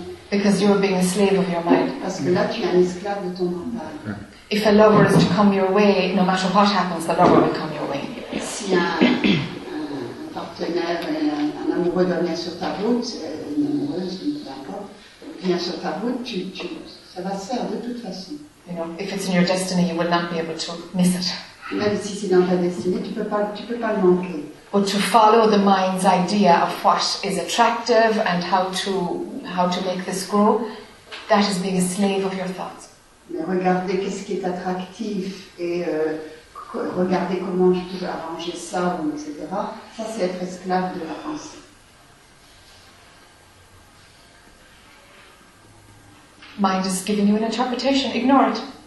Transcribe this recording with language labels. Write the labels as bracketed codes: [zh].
[en] Because you're being a slave of your mind. [fr] Parce que là, tu es un esclave de ton mental. [en] If a lover is to come your way, no matter what happens, the lover will come your way. [fr] Si un partenaire, un amoureux venait sur ta route, une amoureuse, peu importe. Bien sûr, ta route, ça va se faire de toute façon. [en] You know, if it's in your destiny, you will not be able to miss it. [fr] Même si c'est dans ta destinée, tu peux pas le manquer. [en] But to follow the mind's idea of what is attractive and how to make this grow, that is being a slave of your thoughts. [fr] Mais regarder qu'est-ce qui est attractif et regarder comment je peux arranger ça, etc. Ça, c'est être esclave de la pensée. [en] Mind is giving you an interpretation. Ignore it.